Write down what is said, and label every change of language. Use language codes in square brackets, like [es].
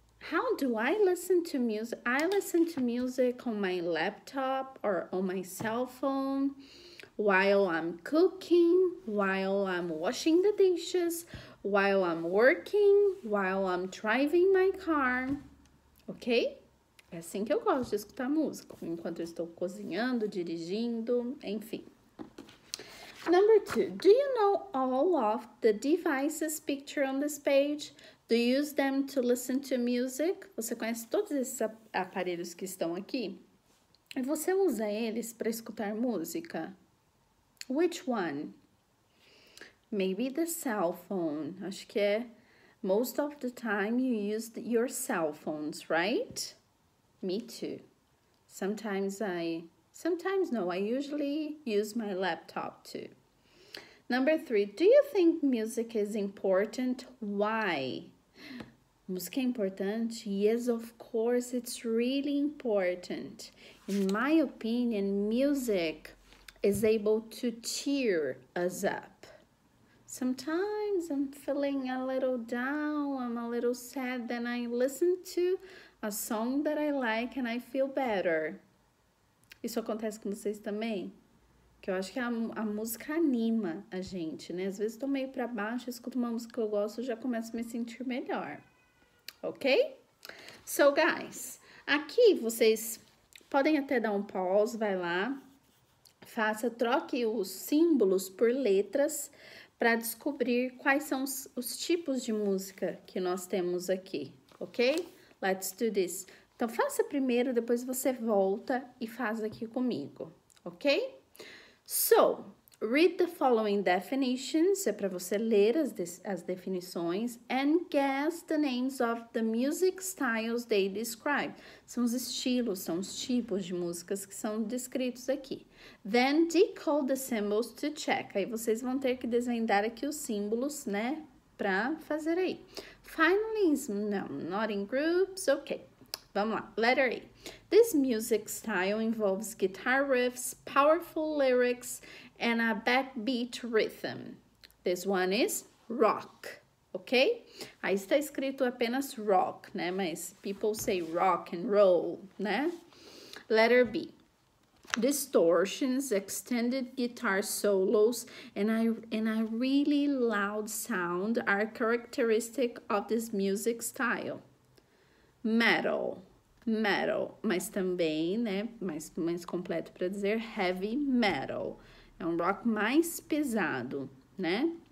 [en] How do I listen to music? I listen to music on my laptop or on my cell phone, while I'm cooking, while I'm washing the dishes, while I'm working, while I'm driving my car. Okay? [pt] É assim que eu gosto de escutar música, enquanto eu estou cozinhando, dirigindo, enfim. [en] Number two, do you know all of the devices pictured on this page? Do you use them to listen to music? [pt] Você conhece todos esses aparelhos que estão aqui? E você usa eles para escutar música? [en] Which one? Maybe the cell phone. [pt] Acho que é [en] most of the time you use your cell phones, right? Me too. I usually use my laptop too. Number three, do you think music is important? Why? [pt] Música é importante? [en] Yes, of course, it's really important. In my opinion, music is able to cheer us up. Sometimes I'm feeling a little down, I'm a little sad, then I listen to a song that I like and I feel better. [pt] Isso acontece com vocês também? Que eu acho que a música anima a gente, né? Às vezes eu tô meio pra baixo, escuto uma música que eu gosto, já começo a me sentir melhor. Ok? [en] So, guys, [pt] aqui vocês podem até dar um pause, vai lá. Faça, troque os símbolos por letras para descobrir quais são os tipos de música que nós temos aqui. Ok? [en] Let's do this. [pt] Então, faça primeiro, depois você volta e faz aqui comigo. [en] Ok? So, read the following definitions, [pt] é para você ler as definições, [en] and guess the names of the music styles they describe. [pt] São os estilos, são os tipos de músicas que são descritos aqui. [en] Then decode the symbols to check. [pt] Aí vocês vão ter que desvendar aqui os símbolos, né, para fazer aí. [en] Finally, not in groups, okay. [pt] Vamos lá, [en] letter A. This music style involves guitar riffs, powerful lyrics, and a backbeat rhythm. This one is rock, ok? [pt] Aí está escrito apenas rock, né? [en] Mas people say rock and roll, né? Letter B. Distortions, extended guitar solos, and a really loud sound are characteristic of this music style. [pt] Metal, mas também, né, mais completo para dizer heavy metal. É um rock mais pesado, né?